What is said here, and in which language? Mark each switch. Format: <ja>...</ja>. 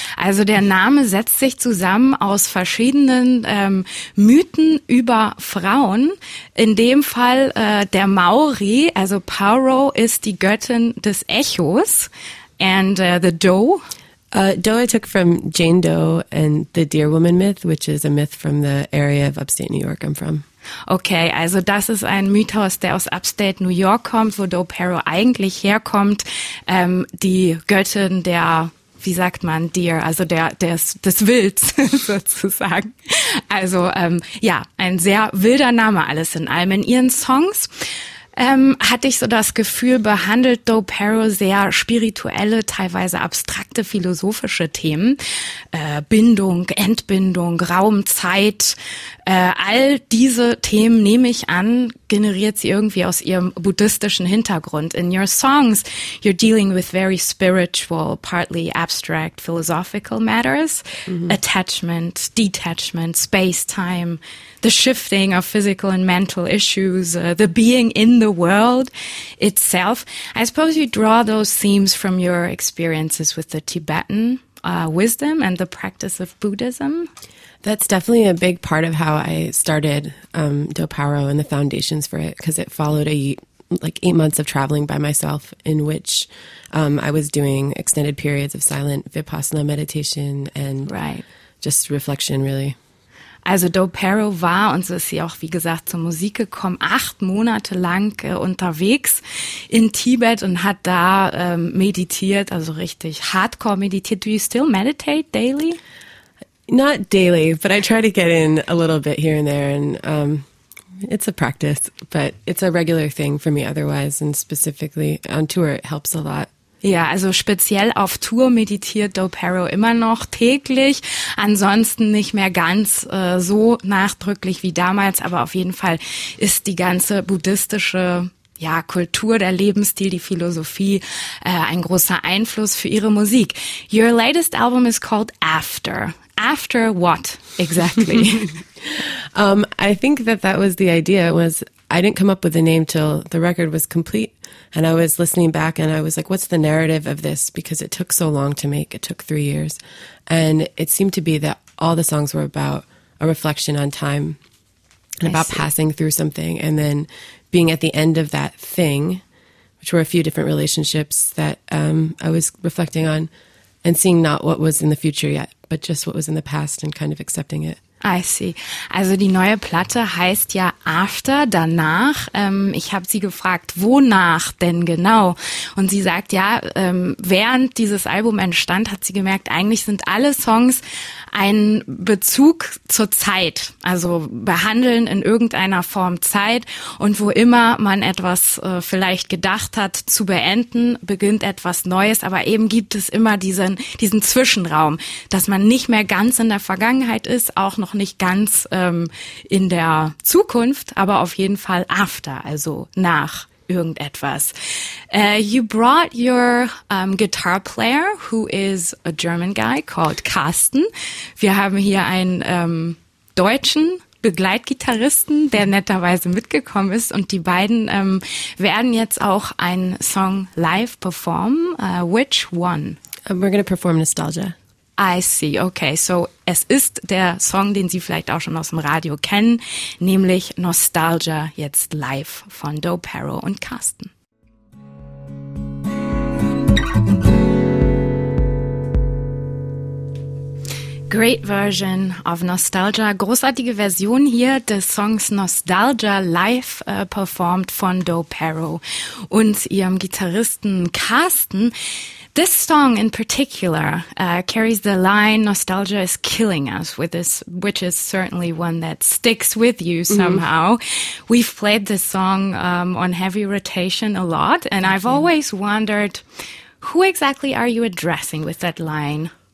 <de>Also der Name setzt sich zusammen aus verschiedenen Mythen über Frauen. In dem Fall der Maori, also Paro ist die Göttin des Echos.</de> <en>And the Doe? Doe I took from Jane Doe and the Dear Woman myth, which is a myth from the area of upstate New York I'm from.</en> <de>Okay, also das ist ein Mythos, der aus Upstate New York kommt, wo Doparo eigentlich herkommt. Die Göttin der, wie sagt man, Deer, also der des Wilds sozusagen. Also ja, ein sehr wilder Name alles in allem. In Ihren Songs hatte ich so das Gefühl, behandelt Doparo sehr spirituelle, teilweise abstrakte, philosophische Themen. Bindung, Entbindung, Raum, Zeit. All diese Themen, nehme ich an, generiert sie irgendwie aus ihrem buddhistischen Hintergrund.</de> <en>In your songs, you're dealing with very spiritual, partly abstract, philosophical matters. Mm-hmm. Attachment, detachment, space, time, the shifting of physical and mental issues, the being in the world itself. I suppose you draw those themes from your experiences with the Tibetan wisdom and the practice of Buddhism. That's definitely a big part of how I started Doparo and the foundations for it, because it followed like 8 months of traveling by myself, in which I was doing extended periods of silent vipassana meditation and right. just reflection, really.</en> <de>Also Doparo war, und so ist sie auch, wie gesagt, zur Musik gekommen, 8 Monate lang unterwegs in Tibet und hat da meditiert, also richtig hardcore meditiert.</de> <en>Do you still meditate daily? Not daily, but I try to get in a little bit here and there, and it's a practice, but it's a regular thing for me otherwise, and specifically on tour, it helps a lot.</en> <de>Ja, also speziell auf Tour meditiert Doparo immer noch täglich, ansonsten nicht mehr ganz so nachdrücklich wie damals, aber auf jeden Fall ist die ganze buddhistische ja, Kultur, der Lebensstil, die Philosophie, ein großer Einfluss für ihre Musik.</de> <en>Your latest album is called After. After what exactly? I think that was the idea. Was I didn't come up with the name till the record was complete, and I was listening back and I was like, what's the narrative of this? Because it took so long to make. It took 3 years, and it seemed to be that all the songs were about a reflection on time and about passing through something and then being at the end of that thing, which were a few different relationships that I was reflecting on and seeing not what was in the future yet, but just what was in the past and kind of accepting it. I see.</en> <de>Also die neue Platte heißt ja After, danach. Ich habe sie gefragt, wonach denn genau? Und sie sagt, ja, während dieses Album entstand, hat sie gemerkt, eigentlich sind alle Songs ein Bezug zur Zeit. Also behandeln in irgendeiner Form Zeit. Und wo immer man etwas vielleicht gedacht hat zu beenden, beginnt etwas Neues. Aber eben gibt es immer diesen Zwischenraum, dass man nicht mehr ganz in der Vergangenheit ist, auch noch nicht ganz in der Zukunft, aber auf jeden Fall after, also nach irgendetwas.</de> <en>You brought your guitar player, who is a German guy called Carsten.</en> <de>Wir haben hier einen deutschen Begleitgitarristen, der netterweise mitgekommen ist, und die beiden werden jetzt auch einen Song live performen.</de> <en>Which one? We're going to perform Nostalgia. I see, okay.</en> <de>So es ist der Song, den Sie vielleicht auch schon aus dem Radio kennen, nämlich Nostalgia, jetzt live von Dopero und Carsten.</de> <en>Great version of Nostalgia.</en> <de>Großartige Version hier des Songs Nostalgia live performed von Dopero und ihrem Gitarristen Carsten.</de> <en>This song in particular carries the line "Nostalgia is killing us," with this, which is certainly one that sticks with you somehow. Mm-hmm. We've played this song on heavy rotation a lot, and I've always wondered, who exactly are you addressing with that line?</en>